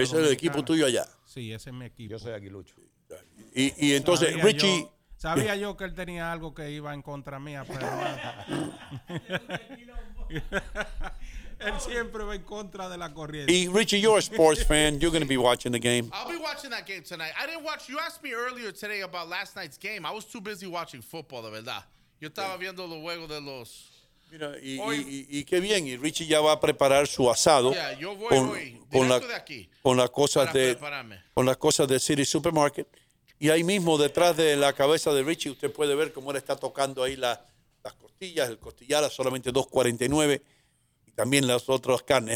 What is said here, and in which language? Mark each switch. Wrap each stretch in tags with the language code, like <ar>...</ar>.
<es>Dominicana. ¿Ese es el equipo tuyo allá? Sí, ese es mi equipo. Yo soy aguilucho. Y entonces, sabía Richie... Sabía yo que él tenía algo que iba en contra mía, pero... Él siempre va en contra de la corriente.</es> <en>Y Richie, you're a sports fan. You're going to be watching the game. I'll be watching that game tonight. I didn't watch... You asked me earlier today about last night's game.</en> <es>I was too busy watching football, de verdad. Yo estaba viendo los juegos de los... Mira, y qué bien, y Richie ya va a preparar su asado. Yeah, yo voy con las cosas de City Supermarket. Y ahí mismo, detrás de la cabeza de Richie, usted puede ver cómo él está tocando ahí las costillas, el costillar a solamente $2.49, y también las otras carnes.</es>